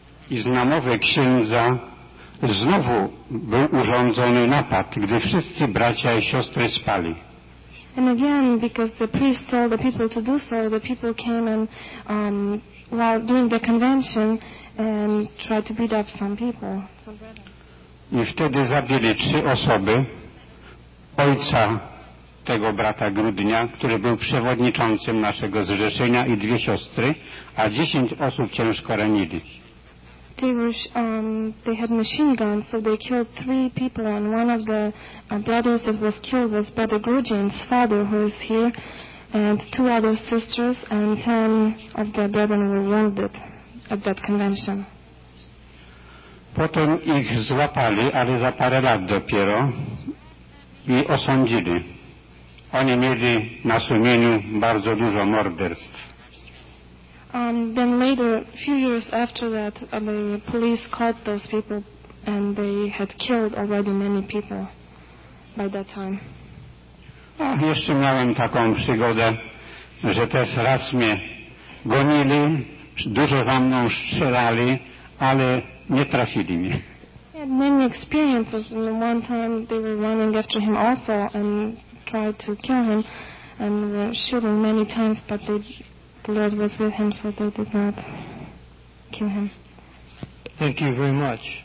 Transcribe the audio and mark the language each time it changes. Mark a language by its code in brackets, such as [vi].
[pl] I znamowy księdza znowu był urządzony napad, gdy wszyscy bracia i siostry spali. [en] And again, because the priest told the people to do so, the people came and while doing the convention and tried to beat up some people. [pl] I wtedy zabili 3 osoby, ojca tego brata Grudnia, który był przewodniczącym naszego zrzeszenia, i 2 siostry, a 10 osób ciężko ranili. [en] They had machine guns, so they killed 3 people, and one of the brothers that was killed was Brother Grudzin's father, who is here, and 2 other sisters, and 10 of their brethren were wounded at that convention. [pl] Potem ich złapali, ale za parę lat dopiero, i osądzili. Oni mieli na sumieniu bardzo dużo morderstw. [en] Then later, a few years after that, the police caught those people and they had killed already many people by that time. [pl] A jeszcze miałem taką przygodę, że też raz mnie gonili, dużo za mną strzelali, ale nie trafili mnie. [en] He had many experiences. One time they were running after him also and tried to kill him and were shooting many times, but the Lord was with him, so they did not kill him. Thank you very much.